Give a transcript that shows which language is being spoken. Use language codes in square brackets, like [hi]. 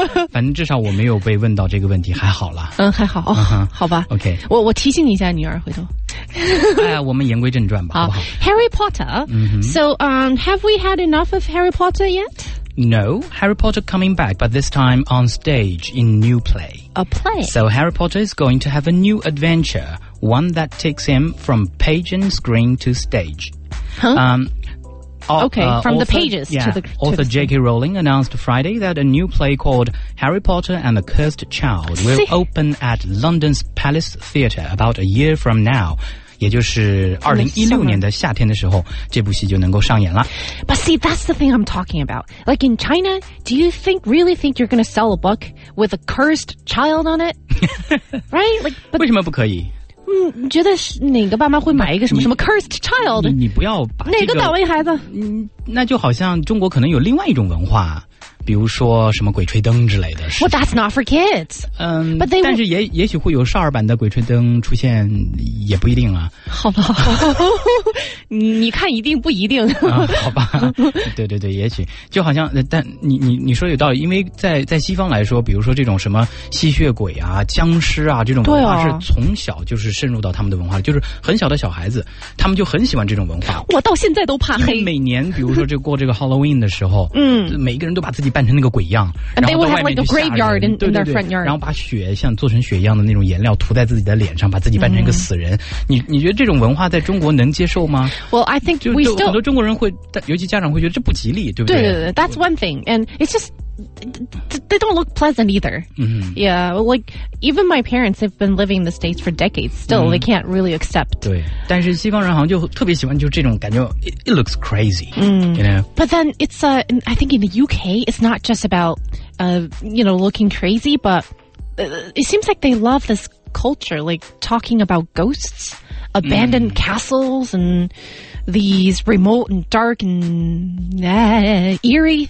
[zh] 反正至少我没有被问到这个问题，还好啦。还好。Uh-huh. 好吧。 [en] OK. [zh] 我提醒你一下女儿回头。我们言归正传吧。好。 [en] Harry Potter. So, have we had enough of Harry Potter yet? No. Harry Potter coming back, but this time on stage in new play. A play? So Harry Potter is going to have a new adventure. One that takes him from page and screen to stage. Author J.K. Rowling announced Friday that a new play called Harry Potter and the Cursed Child will open at London's Palace Theatre about a year from now. [zh] 也就是2016年的夏天的时候，这部戏就能够上演了。 [en] But see, that's the thing I'm talking about. Like in China, do you really think you're going to sell a book with a cursed child on it? Right? Like, [zh] but 为什么不可以？你觉得哪个爸妈会买一个什么 cursed child? 你不要把、这个、哪个倒霉孩子、那就好像中国可能有另外一种文化，比如说什么鬼吹灯之类的。 [en] Well, that's not for kids. But they [zh] 但是也许会有少儿版的鬼吹灯出现，也不一定啊。好吧，你看一定不一定。好吧，对对对，也许就好像，但你说有道理，因为在西方来说，比如说这种什么吸血鬼啊、僵尸啊这种文化，是从小就是渗入到他们的文化，就是很小的小孩子，他们就很喜欢这种文化。我到现在都怕黑。每年比如说就过这个 Halloween 的时候，每一个人都把自己扮成那个鬼样， [en] and they would have like a graveyard in their front yard. [zh] 然后把血像做成血一样的那种颜料涂在自己的脸上，把自己扮成一个死人。你觉得这种文化在中国能接受吗？ [en] Well, I think we still [zh] 很多中国人会，尤其家长会觉得这不吉利，对不对？对对对 [en] ，That's one thing, and it's just they don't look pleasant either. Mm-hmm. Yeah, like even my parents have been living in the States for decades. Still, mm-hmm. they can't really accept. [zh] 对，但是西方人好像就特别喜欢就这种感觉。 [en] It looks crazy,、 mm-hmm. you know. But then it's I think in the UK, it's not just about you know looking crazy, but it seems like they love this culture, like talking about ghosts, abandoned、mm-hmm. castles, and. These remote and dark and、eerie things.